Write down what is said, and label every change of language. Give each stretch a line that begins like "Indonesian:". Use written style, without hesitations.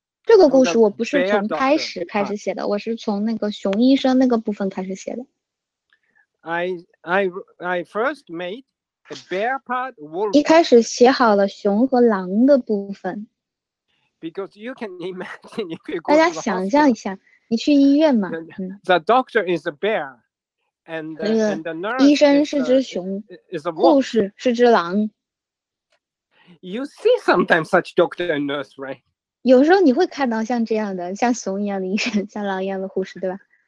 Chinese: 这个故事我不是从开始开始写的，我是从那个熊医生那个部分开始写的。
English: I first made a bear part wolf.
Chinese: 一开始写好了熊和狼的部分。
English: Because you can imagine,
Chinese: 你可以大家想象一下，你去医院嘛。
English: The doctor is a bear, and the nurse is a wolf.
Chinese: 医生是只熊，护士是只狼。
English: You see sometimes such doctor and nurse, right?
Chinese: 有时候你会看到像这样的，像熊一样的医生，像狼一样的护士，对吧？